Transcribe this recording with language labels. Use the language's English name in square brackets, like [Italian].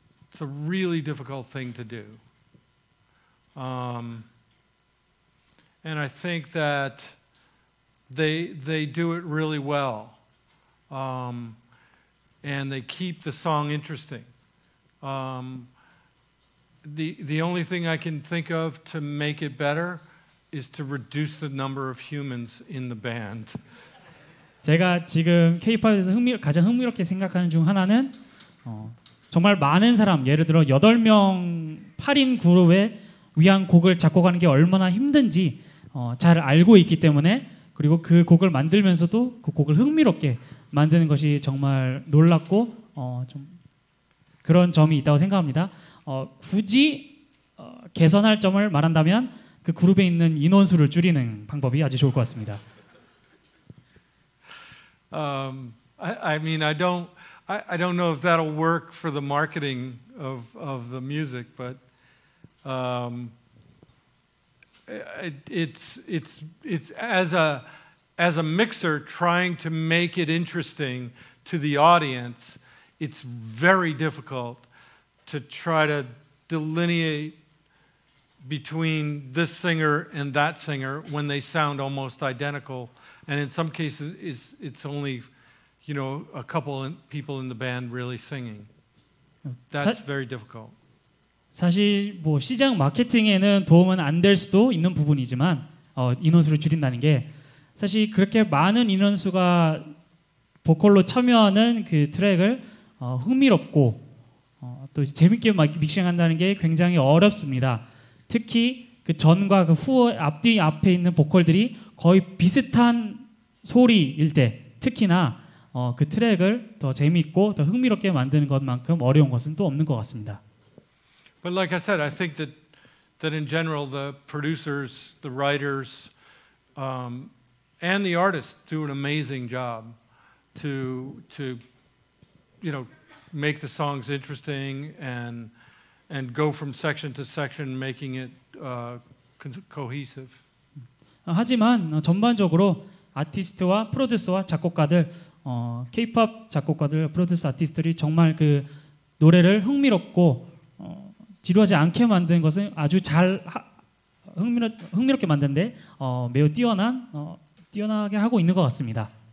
[English] It's a really difficult thing to do. And I think that they do it really well. And they keep the song interesting. The only thing I can think of to make it better is to reduce the number of humans in the band. [Korean] 제가 지금 K-POP에서 가장 흥미롭게 생각하는 중 하나는 정말 많은 사람, 예를 들어 8명, 8인 그룹에 위한 곡을 작곡하는 게 얼마나 힘든지 잘 알고 있기 때문에 그리고 그 곡을 만들면서도 그 곡을 흥미롭게 만드는 것이 정말 놀랍고 좀 그런 점이 있다고 생각합니다. 굳이 개선할 점을 말한다면 그 그룹에 있는 인원수를 줄이는 방법이 아주 좋을 것 같습니다. [English] I don't know if that'll work for the marketing of the music, but it's as a mixer trying to make it interesting to the audience, it's very difficult to try to delineate between this singer and that singer when they sound almost identical. And in some cases, it's only, you know, a couple of people in the band really singing. That's very difficult. [Korean] 사실 뭐 시장 마케팅에는 도움은 안 될 수도 있는 부분이지만 인원수를 줄인다는 게 사실 그렇게 많은 인원수가 보컬로 참여하는 그 트랙을 흥미롭고 또 재밌게 믹싱한다는 게 굉장히 어렵습니다. 특히 그 전과 그 후 앞뒤 앞에 있는 보컬들이 거의 비슷한 소리일 때 특히나 그 트랙을 더 재미있고 더 흥미롭게 만드는 것만큼 어려운 것은 또 없는 것 같습니다. [English] But like I said, I think that in general the producers, the writers and the artists do an amazing job to you know, make the songs interesting and go from section to section, making it cohesive. [Korean] 하지만 전반적으로 아티스트와 프로듀서와 작곡가들, K-pop 작곡가들, 프로듀서 아티스트들이 정말 그 노래를 흥미롭고 지루하지 않게 만든 것은 아주 잘 흥미롭게 만든데 매우 뛰어나게 하고 있는 것 같습니다.